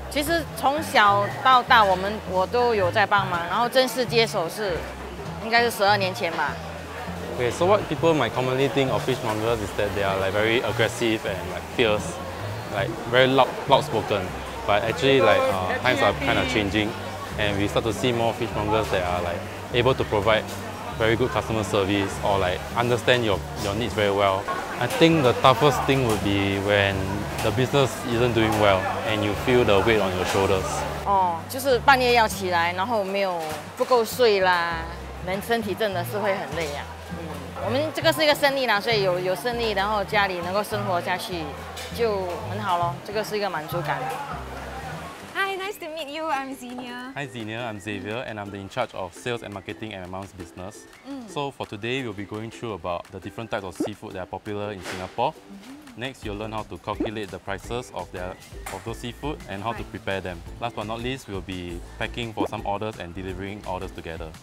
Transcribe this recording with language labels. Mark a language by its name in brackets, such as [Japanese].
[Chinese] 其實從小到大我都有在幫忙,然後正式接手是應該是12年前吧。 [English] Okay, so what people might commonly think of fishmongers is that they are like very aggressive and like fierce, like very loud spoken. But actually like times are kind of changing and we start to see more fishmongers that are like able to provide very good customer service or like understand your needs very well. I think the toughest thing would be when the business isn't doing well and you feel the weight on your shoulders. [Chinese] Oh, 就是半夜要起來,然後沒有不夠睡啦,人身體真的是會很累啊。我們這個是一個生意啦,所以有生意,然後家裡能夠生活下去就很好咯,這個是一個滿足感。 [English] Nice to meet you, I'm Xenia. Hi Xenia, I'm Xavier and I'm the in charge of sales and marketing at my mom's business. Mm. So for today, we'll be going through about the different types of seafood that are popular in Singapore. Mm-hmm. Next, you'll learn how to calculate the prices of those seafood and how to prepare them. Last but not least, we'll be packing for some orders and delivering orders together.